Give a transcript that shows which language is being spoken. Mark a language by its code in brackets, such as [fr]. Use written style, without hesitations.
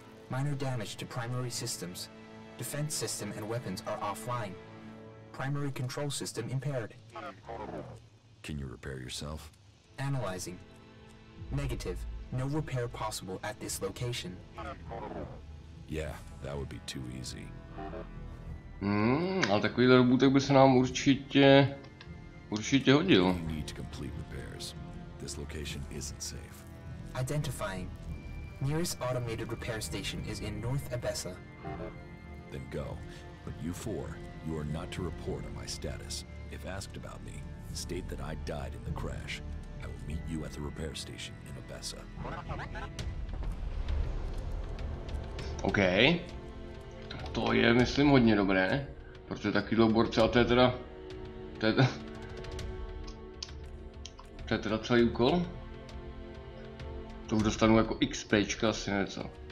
[en] Minor damage to primary systems. Defense system and weapons are offline. Primary control system impaired. Can you repair yourself? Analyzing. Negative. No repair possible at this location. Yeah, that would be too easy. [cs] Ale takovýhle robotek by se nám určitě hodil. [en] You need to complete repairs. This location isn't safe. Identifying. Nearest automated repair station is in North Abessa. Then go. But you four, you are not to report on my status. If asked about me, state that I died in the crash. I will meet you at the repair station in Abessa. Okay. [cs] To je, myslím, hodně dobré. Protože takovýhle borce, a to je teda... To je teda celý úkol? To už dostanu jako XPčka asi něco.